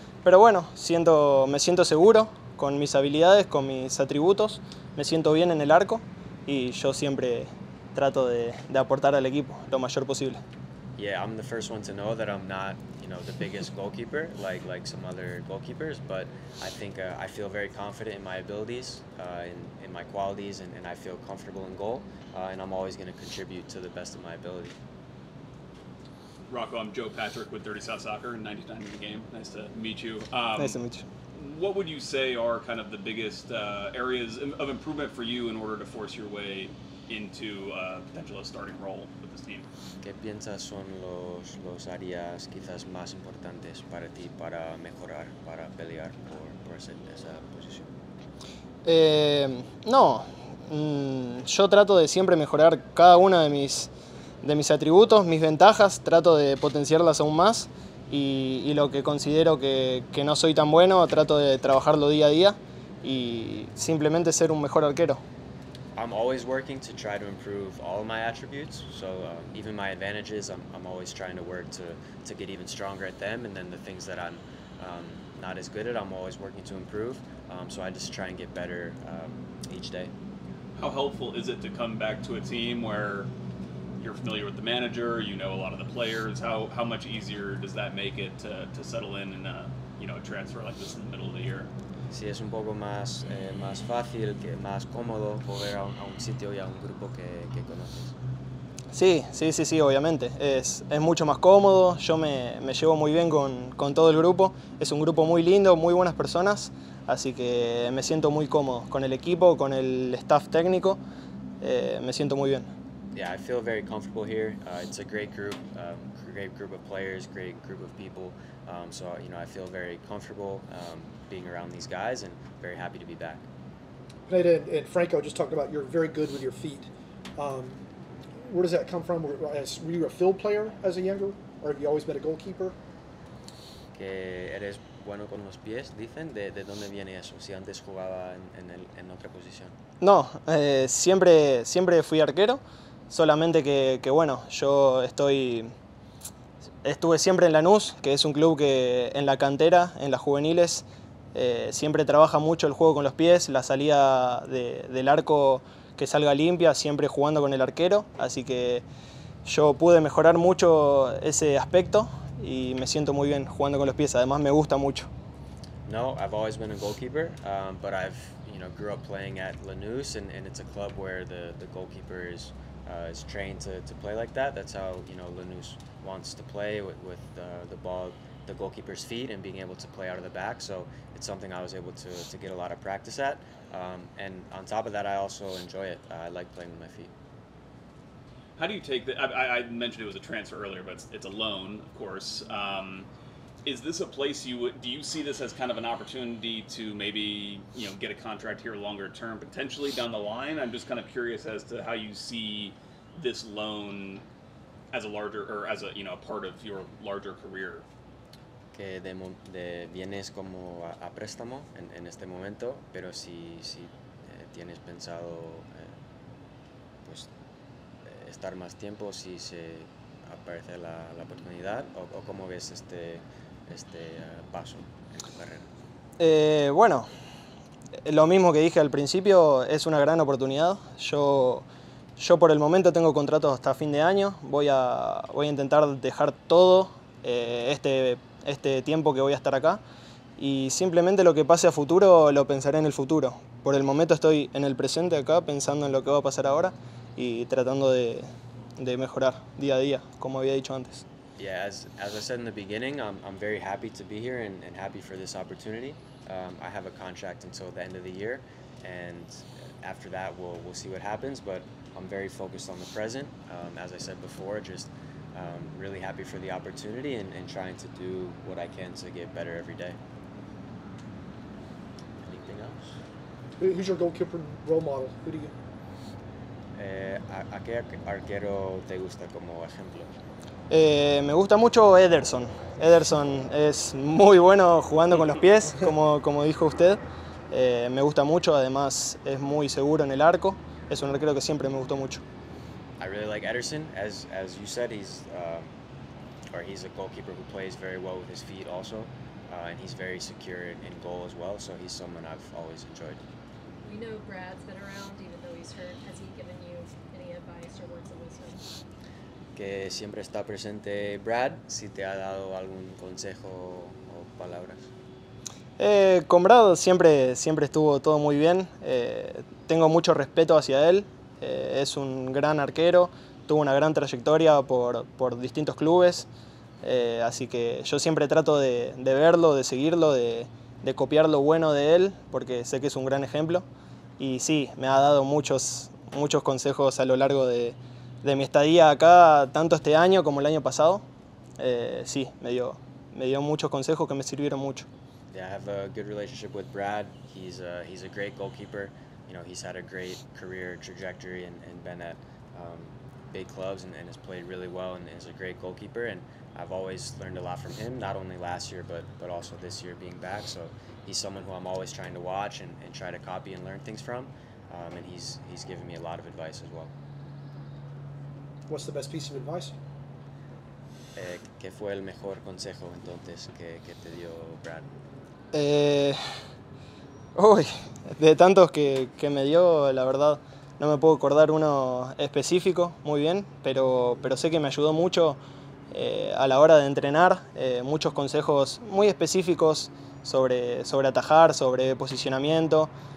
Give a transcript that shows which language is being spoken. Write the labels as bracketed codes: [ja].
[es] Pero bueno, me siento seguro con mis habilidades, con mis atributos, me siento bien en el arco y yo siempre trato de aportar al equipo lo mayor posible. [en] Yeah, I'm the first one to know that I'm not, you know, the biggest goalkeeper like some other goalkeepers, but I think I feel very confident in my abilities, in my qualities and I feel comfortable in goal, and I'm always going to contribute to the best of my ability. Rocco, I'm Joe Patrick with Dirty South Soccer and 99 in the game. Nice to meet you. Nice to meet you. What would you say are kind of the biggest areas of improvement for you in order to force your way into a potential starting role with this team? [es] ¿Qué piensas son los áreas quizás más importantes para ti para mejorar, para pelear por esa posición? No. Yo trato de siempre mejorar cada una de mis de mis atributos, mis ventajas, trato de potenciarlas aún más y lo que considero que no soy tan bueno, trato de trabajarlo día a día y simplemente ser un mejor arquero. [en] I'm always working to try to improve all of my attributes, so even my advantages, I'm always trying to work to get even stronger at them, and then the things that I'm not as good at, I'm always working to improve, so I just try and get better each day. How helpful is it to come back to a team where you're familiar with the manager, you know a lot of the players? How much easier does that make it to settle in a, you know, a transfer like this in the middle of the year? [es] Sí, es un poco más más fácil, que más cómodo volver a un sitio y a un grupo que conoces. Sí, obviamente. Es mucho más cómodo. Yo me llevo muy bien con todo el grupo. Es un grupo muy lindo, muy buenas personas. Así que me siento muy cómodo con el equipo, con el staff técnico. Me siento muy bien. [en] Yeah, I feel very comfortable here. It's a great group of players, great group of people. So, you know, I feel very comfortable being around these guys and very happy to be back. Pineda and Franco just talked about you're very good with your feet. Where does that come from? Were you a field player as a younger, or have you always been a goalkeeper? [es] Que eres bueno con los pies, dicen. ¿De dónde viene eso? Si antes jugaba en otra posición. No, siempre fui arquero. Solamente que bueno, yo estuve siempre en Lanús, que es un club que en la cantera, en las juveniles, siempre trabaja mucho el juego con los pies, la salida del arco que salga limpia, siempre jugando con el arquero. Así que yo pude mejorar mucho ese aspecto y me siento muy bien jugando con los pies. Además, me gusta mucho. [en] No, I've always been a goalkeeper, but I've, you know, grew up playing at Lanús, and it's a club where the goalkeeper is trained to play like that. That's how, you know, Lanús wants to play with the ball, the goalkeeper's feet, and being able to play out of the back. So it's something I was able to get a lot of practice at. And on top of that, I also enjoy it. I like playing with my feet. How do you take I mentioned it was a transfer earlier, but it's a loan, of course. Is this a place do you see this as kind of an opportunity to maybe, you know, get a contract here longer term, potentially down the line? I'm just kind of curious as to how you see this loan as a larger, or as a, you know, a part of your larger career. [es] Que de vienes como a préstamo en este momento, pero si tienes pensado pues estar más tiempo, si se aparece la oportunidad, o cómo ves este paso en tu carrera. Bueno, lo mismo que dije al principio, es una gran oportunidad. Yo por el momento tengo contratos hasta fin de año. Voy a intentar dejar todo este tiempo que voy a estar acá, y simplemente lo que pase a futuro lo pensaré en el futuro. Por el momento estoy en el presente acá, pensando en lo que va a pasar ahora y tratando de mejorar día a día, como había dicho antes. [en] Yeah, as I said in the beginning, I'm very happy to be here and happy for this opportunity. I have a contract until the end of the year, and after that we'll see what happens, but I'm very focused on the present. As I said before, just really happy for the opportunity and trying to do what I can to get better every day. Anything else? Who's your goalkeeper role model? Who do you? [es] ¿A qué arquero te gusta como ejemplo? Me gusta mucho Ederson. Ederson es muy bueno jugando con los pies, como dijo usted. Me gusta mucho. Además, es muy seguro en el arco. Es un arquero que siempre me gustó mucho. [en] I really like Ederson. As you said, he's a goalkeeper who plays very well with his feet also, and he's very secure in goal as well, so he's someone I've always enjoyed. We know Brad's been around, even though he's hurt. Has he given you any advice or words of wisdom? [es] Que siempre está presente Brad, si te ha dado algún consejo o palabras. Con Brad siempre estuvo todo muy bien. Tengo mucho respeto hacia él. Es un gran arquero, tuvo una gran trayectoria por distintos clubes, así que yo siempre trato de verlo, de seguirlo, de copiar lo bueno de él, porque sé que es un gran ejemplo. Y sí, me ha dado muchos consejos a lo largo de mi estadía acá, tanto este año como el año pasado. Sí, me dio muchos consejos que me sirvieron mucho. [en] Yeah, I have a good relationship with Brad. He's a great goalkeeper. You know, he's had a great career trajectory and been at big clubs and has played really well and is a great goalkeeper. And I've always learned a lot from him, not only last year, but also this year being back. So he's someone who I'm always trying to watch and try to copy and learn things from. And he's given me a lot of advice as well. What's the best piece of advice? [es] ¿Qué fue el mejor consejo entonces que te dio Brad? De tantos que me dio, la verdad, no me puedo acordar uno específico muy bien, pero sé que me ayudó mucho a la hora de entrenar, muchos consejos muy específicos sobre atajar, sobre posicionamiento.